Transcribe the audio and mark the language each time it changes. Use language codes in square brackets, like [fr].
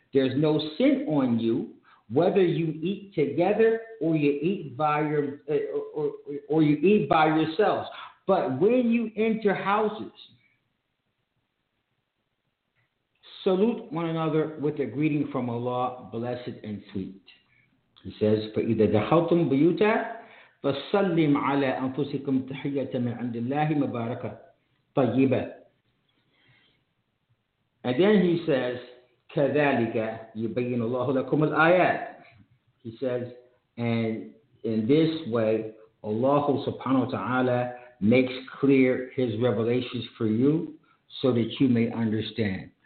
[en] There's no sin on you, whether you eat together or you eat by your or you eat by yourselves. But when you enter houses, salute one another with a greeting from Allah, blessed and sweet. He says, [ar] فَإِذَا دَخَلْتُمْ بُيُوتَ فَسَلِّمْ عَلَىٰ أَنفُسِكُمْ تَحِيَّةً مِنْ عَنْدِ اللَّهِ مُبَارَكَةً طَيِّبَةً. [en] And then he says, [ar] كَذَلِكَ يُبَيِّنُ اللَّهُ لَكُمُ الْآيَاتِ. [en] He says, and in this way, Allah subhanahu wa ta'ala makes clear his revelations for you so that you may understand.